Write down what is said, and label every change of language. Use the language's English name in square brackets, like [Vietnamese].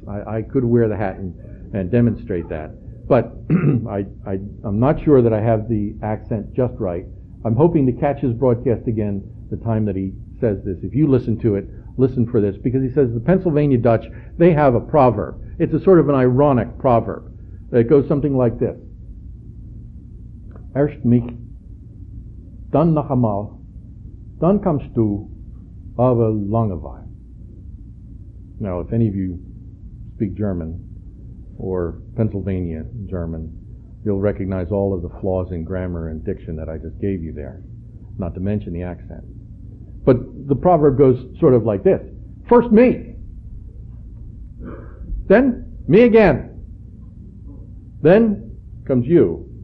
[English] I could wear the hat and demonstrate that, but I'm not sure that I have the accent just right. I'm hoping to catch his broadcast again the time that he says this. If you listen to it, listen for this, because he says the Pennsylvania Dutch, they have a proverb. It's a sort of an ironic proverb. It goes something like this. [German] Erst mich, dann noch einmal, dann kommst du, aber lange weit. [English] Now, if any of you speak German or Pennsylvania German, you'll recognize all of the flaws in grammar and diction that I just gave you there, not to mention the accent. But the proverb goes sort of like this. First me, then me again, then comes you.